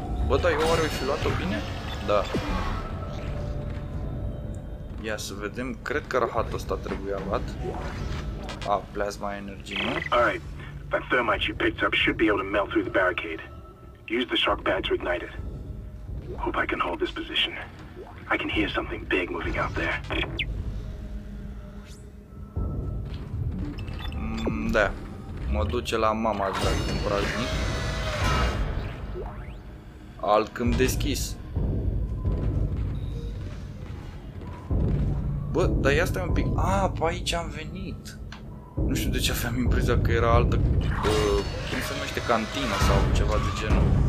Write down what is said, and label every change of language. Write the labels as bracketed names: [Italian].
[Romanian] Bă, dar eu oare o fi luat-o bine? Da. Ia să vedem, cred că rahatul ăsta trebuia luat. A, plasma energy, nu? [English] Alright, that thermite you picked up should be able to melt through the barricade. Use the shock pad to ignite it. Hope I can hold this position. I can hear something big moving out there. [Romanian] Da, mă duce la mama să cumpăr alt câmp deschis. Bă, dar ia stai un pic. A, pe aici am venit. Nu știu de ce aveam impresia că era altă, cum se numește, cantina sau ceva de genul.